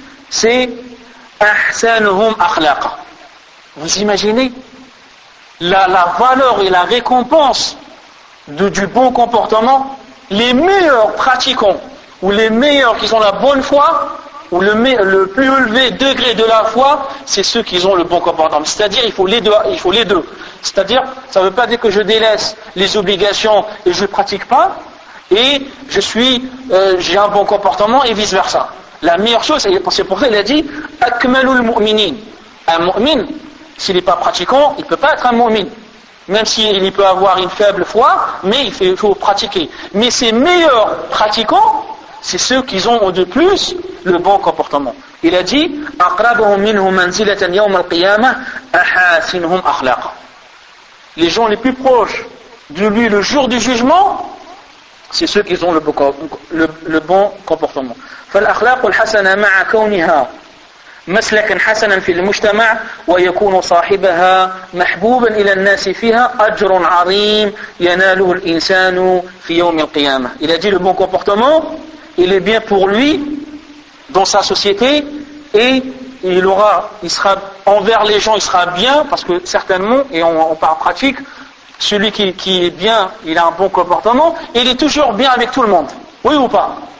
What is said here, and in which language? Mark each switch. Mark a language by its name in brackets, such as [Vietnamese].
[French] C'est [Arabic] أحسنهم أخلاقا. [French] Vous imaginez la valeur et la récompense du bon comportement, les meilleurs pratiquants ou les meilleurs qui ont la bonne foi ou le plus élevé degré de la foi, c'est ceux qui ont le bon comportement. C'est-à-dire, il faut les deux. C'est-à-dire, ça ne veut pas dire que je délaisse les obligations et je ne pratique pas et je suis j'ai un bon comportement et vice-versa. La meilleure chose, c'est pour ça qu'il a dit « [Arabic] Akmalul mu'minin ». [French] Un mu'min, s'il n'est pas pratiquant, il ne peut pas être un mu'min. Même s'il peut avoir une faible foi, mais il faut pratiquer. Mais ses meilleurs pratiquants, c'est ceux qui ont de plus le bon comportement. [Arabic] Il a dit, أَقْرَبُهُمْ مِنْهُمْ مَنْزِلَةً يَوْمَ الْقِيَامَةِ أَحَاسِنْهُمْ أَخْلَاقًا. [French] Les gens les plus proches de lui le jour du jugement, c'est ceux qui ont le bon comportement. [Arabic] فَالْأَخْلَاقُ الْحَسَنَ مَعَ كَوْنِهَا مسلكا حسنا في المجتمع ويكون صاحبها محبوبا إلى الناس فيها أجر عظيم يناله الإنسان في يوم القيامة. [French] Il a dit le bon comportement, il est bien pour lui dans sa société et et il aura, il sera envers les gens, il sera bien, parce que certainement, et on parle pratique, celui qui est bien, il a un bon comportement, et il est toujours bien avec tout le monde. Oui ou pas?